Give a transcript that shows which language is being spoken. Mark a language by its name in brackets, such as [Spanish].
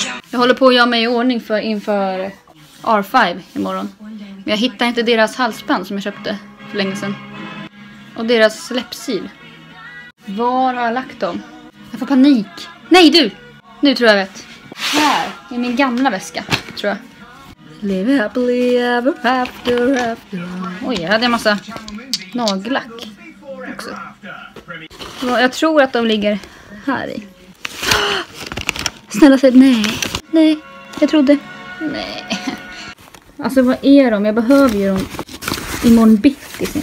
[Swedish] Jag håller på att göra mig i ordning för inför R5 imorgon. Men jag hittar inte deras halsband som jag köpte för länge sedan. Och deras släppsil. Var har jag lagt dem? Jag får panik. Nej du! Nu tror jag vet. Här är min gamla väska tror jag. [English] Live happily ever after after. [Swedish] Oj, jag hade en massa nagellack också. Jag tror att de ligger här i. Snälla säg nej. Nej, jag trodde. Nej. Alltså vad är de? Jag behöver ju dem imorgon bitti.